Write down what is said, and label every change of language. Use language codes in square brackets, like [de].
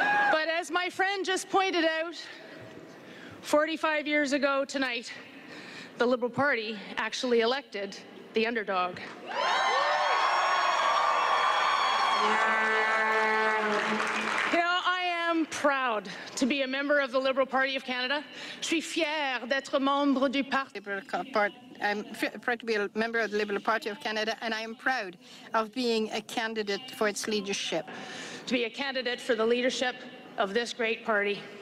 [en] But as my friend just pointed out, 45 years ago tonight, the Liberal Party actually elected the underdog. Here I am proud to be a member of the Liberal Party of Canada. [fr] Je suis fière d'être membre du parti. [en] I'm proud to be a member of the Liberal Party of Canada, and I am proud of being a candidate for its leadership. To be a candidate for the leadership of this great party.